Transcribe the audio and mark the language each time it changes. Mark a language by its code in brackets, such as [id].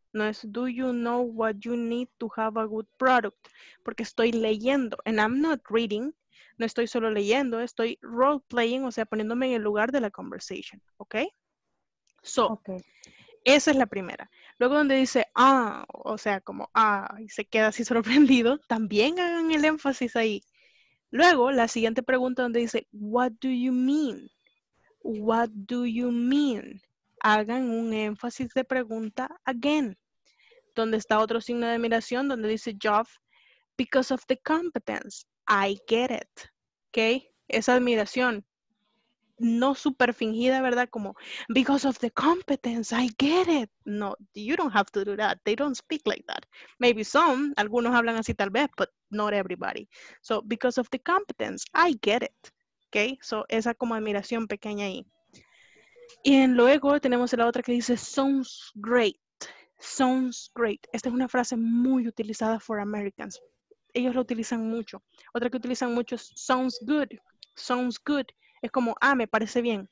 [es] No es, [en] do you know what you need to have a good product? [es] Porque estoy leyendo, [en] and I'm not reading. [es] No estoy solo leyendo, estoy [en] role playing, [es] o sea, poniéndome en el lugar de la conversation. ¿Ok? So, okay. Esa es la primera. Luego donde dice, ah, o sea, como, ah, y se queda así sorprendido, también hagan el énfasis ahí. Luego, la siguiente pregunta donde dice, [en] what do you mean? What do you mean? [es] Hagan un énfasis de pregunta [en] again. [es] Donde está otro signo de admiración, donde dice Jeff, [en] because of the competence, I get it. [es] ¿Ok? Esa admiración, no super fingida, ¿verdad? [en] Como, because of the competence, I get it. No, you don't have to do that. They don't speak like that. Maybe some, [es] algunos hablan así tal vez, [en] but not everybody. So, because of the competence, I get it. [es] ¿Ok? So, esa como admiración pequeña ahí. Y luego tenemos la otra que dice, [en] sounds great. Sounds great. [es] Esta es una frase muy utilizada [en] for Americans. [es] Ellos lo utilizan mucho. Otra que utilizan mucho es, [en] sounds good. Sounds good. [es] Es como, ah, me parece bien.